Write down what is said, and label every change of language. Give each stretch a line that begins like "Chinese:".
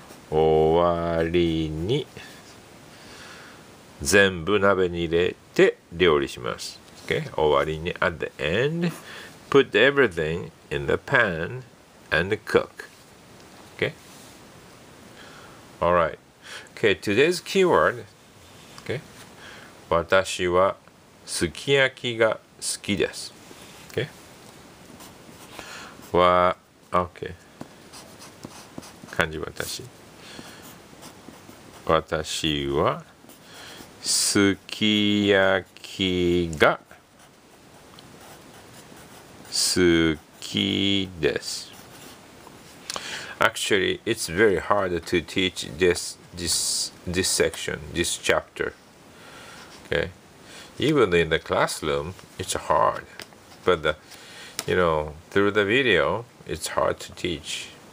Japanese: 終わりに全部鍋に入れて料理します。
English: Okay?
Japanese: 終わりに
English: at the end put everything in the pan and cook. Okay? Alright. Okay, today's keyword. Okay?
Japanese: 私はすき焼きが好きです。
English: Okay? Okay.
Japanese: 漢字私。私はすき焼きが好きです。
English: Actually, it's very hard to teach this section, this chapter. Okay, even in the classroom, it's hard. But the, you know, through the video, it's hard to teach.